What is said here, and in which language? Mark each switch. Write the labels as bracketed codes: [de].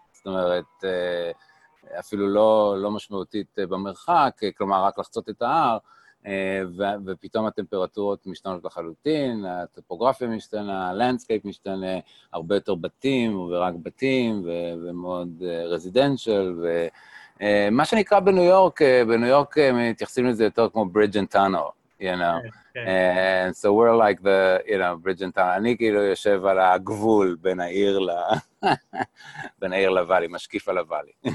[he] זאת אומרת, אפילו לא משמעותית במרחק, כלומר רק לחצות את ההר, ופתאום הטמפרטורות משתנות לחלוטין, הטופוגרפיה משתנה, הלנדסקייפ משתנה, הרבה יותר בתים ורק בתים ומאוד רזידנשל, ומה שנקרא בניו יורק, בניו יורק מתייחסים לזה יותר כמו [en] bridge and tunnel, you know. And so we're like the, you know, bridge and tunnel. [he] אני כאילו יושב על הגבול בין העיר בין העיר לוואלי, משקיף על הוואלי.